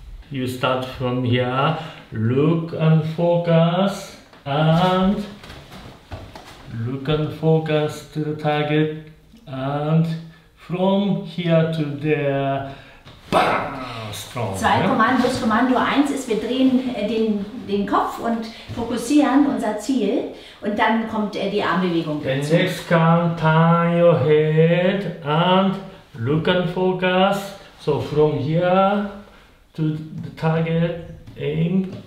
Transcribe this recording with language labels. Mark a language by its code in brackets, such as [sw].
[en] You start from here, look and focus, and look and focus to the target, and from here to there, bam, strong. [de] Zwei Kommandos, Kommando 1 ist, wir drehen den Kopf und fokussieren unser Ziel, und dann kommt die Armbewegung dazu. [en] The next count, turn your head, and look and focus, so from here, to the target, aim,